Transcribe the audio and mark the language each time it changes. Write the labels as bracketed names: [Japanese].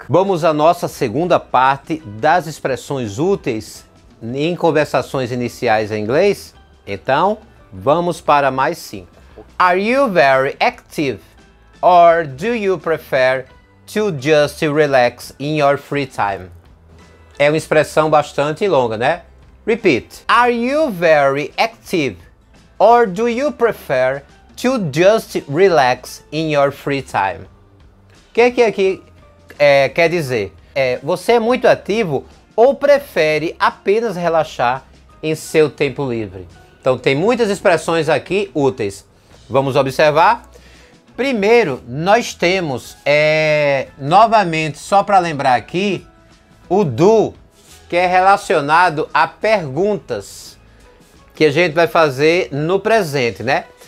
[Portuguese] Vamos à nossa segunda parte das expressões úteis em conversações iniciais em inglês? Então, vamos para mais 5. [English] Are you very active? Or do you prefer to just relax in your free time? [Portuguese] É uma expressão bastante longa, né? [English] Repeat. Are you very active? Or do you prefer to just relax in your free time? [Portuguese] O que que aqui quer dizer? Você é muito ativo ou prefere apenas relaxar em seu tempo livre? Então tem muitas expressões aqui úteis. Vamos observar. Primeiro, nós temos, novamente, só para lembrar aqui, o do, que é relacionado a perguntas que a gente vai fazer no presente, né?